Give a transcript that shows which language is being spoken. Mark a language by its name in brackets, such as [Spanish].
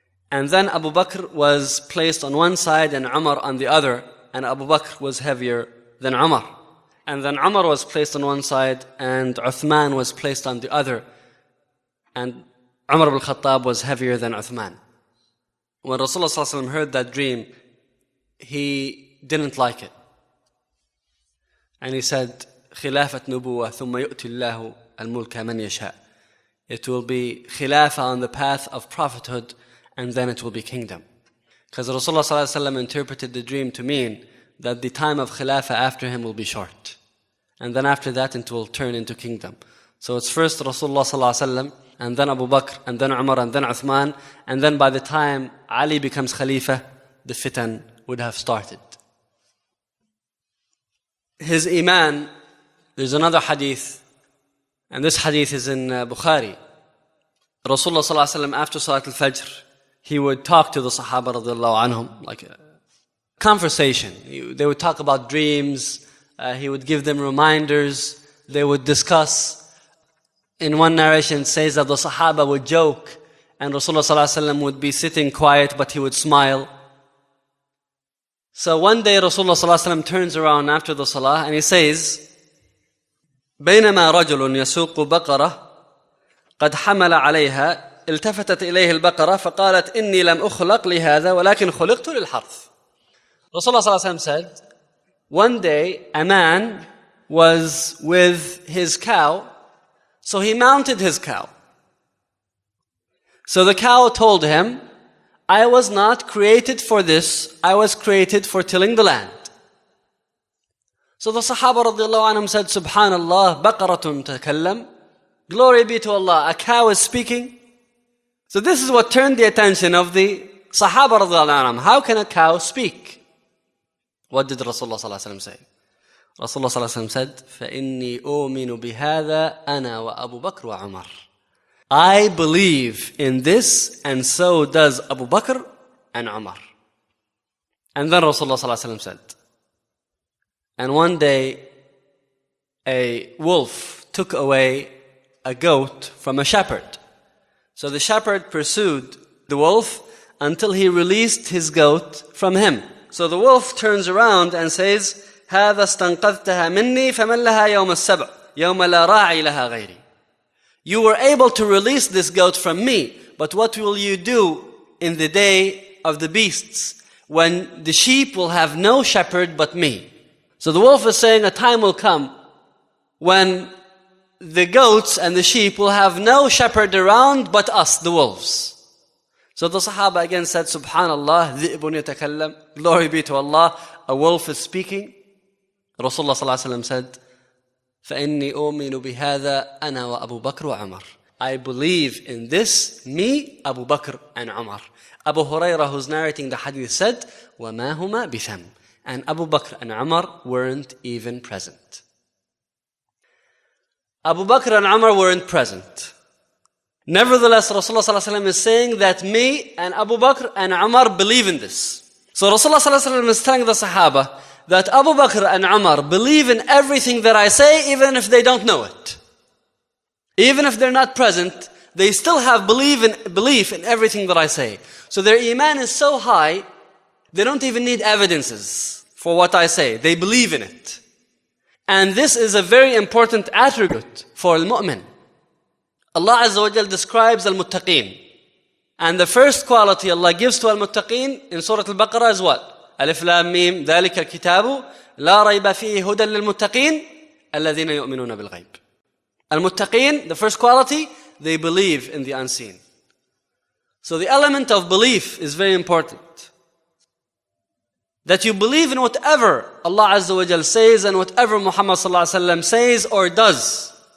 [English] And then Abu Bakr was placed on one side and Umar on the other, and Abu Bakr was heavier than Umar. And then Umar was placed on one side and Uthman was placed on the other, and Umar ibn Khattab was heavier than Uthman. When Rasulullah ﷺ heard that dream, he didn't like it. And he said, [Arabic] خِلَافَةْ نُبُوَّةْ ثُمَّ يُؤْتِ اللَّهُ الْمُلْكَ مَنْ يَشَاءُ. [English] It will be khilafah on the path of prophethood, and then it will be kingdom. Because Rasulullah ﷺ interpreted the dream to mean that the time of khilafah after him will be short. And then after that, it will turn into kingdom. So it's first Rasulullah ﷺ, and then Abu Bakr, and then Umar, and then Uthman, and then by the time Ali becomes khalifa, the fitan would have started. His iman, there's another hadith, and this hadith is in Bukhari. Rasulullah sallallahu alaihi wasallam, after Salat al-Fajr, he would talk to the Sahaba radiallahu anhum, like a conversation. They would talk about dreams, he would give them reminders, they would discuss. In one narration, it says that the Sahaba would joke, and Rasulullah sallallahu alaihi wasallam would be sitting quiet, but he would smile. So one day Rasulullah sallallahu alaihi wasallam turns around after the salah and he says, [Arabic] بينما رجل يسوق بقرة قد حمل عليها التفتت إليه البقرة فقالت إني لم أخلق لهذا ولكن خلقت للحرث. [English] Rasulullah sallallahu alaihi wasallam said, one day a man was with his cow, so he mounted his cow. So the cow told him, I was not created for this, I was created for tilling the land. So the Sahaba radiallahu anhum said, Subhanallah, [Arabic] baqaratun takallam. [English] Glory be to Allah, a cow is speaking. So this is what turned the attention of the Sahaba radiallahu anhum. How can a cow speak? What did Rasulullah sallallahu alayhi wa sallam say? Rasulullah sallallahu alayhi wa sallam said, [Arabic] فَإِنِّي أُؤْمِنُ بِهَذَا أَنَا وَأَبُو بَكْرُ وَعُمَرُ. [English] I believe in this, and so does Abu Bakr and Umar. And then Rasulullah ﷺ said, and one day a wolf took away a goat from a shepherd. So the shepherd pursued the wolf until he released his goat from him. So the wolf turns around and says, [Arabic] هَذَا اسْتَنْقَذْتَهَا مِنِّي فَمَنْ لَهَا يَوْمَ السَّبْعُ يَوْمَ لَا رَاعِي لَهَا غَيْرِي. [English] You were able to release this goat from me, but what will you do in the day of the beasts when the sheep will have no shepherd but me? So the wolf is saying a time will come when the goats and the sheep will have no shepherd around but us, the wolves. So the Sahaba again said, Subhanallah, [Arabic] ذِئِبٌ يَتَكَلَّمْ. [English] Glory be to Allah, a wolf is speaking. Rasulullah sallallahu alayhi wa sallam said, [Arabic] فَإِنِّي أُؤْمِنُ بِهَذَا أَنَا وَأَبُو بَكْرُ وَعُمَرُ. [English] I believe in this, me, Abu Bakr and Umar. Abu Huraira, who's narrating the hadith, said, [Arabic] وَمَا هُمَا بِثَمْ. [English] And Abu Bakr and Umar weren't even present. Abu Bakr and Umar weren't present. Nevertheless, Rasulullah sallallahu alayhi wa sallam is saying that me and Abu Bakr and Umar believe in this. So Rasulullah sallallahu alayhi wa sallam is telling the Sahaba that Abu Bakr and Umar believe in everything that I say, even if they don't know it. Even if they're not present, they still have belief in everything that I say. So their iman is so high, they don't even need evidences for what I say. They believe in it. And this is a very important attribute for al-mu'min. Allah Azza wa Jalla describes al-muttaqeen. And the first quality Allah gives to al-muttaqeen in Surah Al-Baqarah is what? Alif Lam Mim, [Arabic] ذَلِكَ الْكِتَابُ لا ريب فيه هدى للمتقين الذين يؤمنون بالغيب. [English] المتقين, the first quality, they believe in the unseen. So the element of belief is very important. That you believe in whatever Allah Azza wa Jal says and whatever Muhammad Sallallahu Alaihi Wasallam says or does.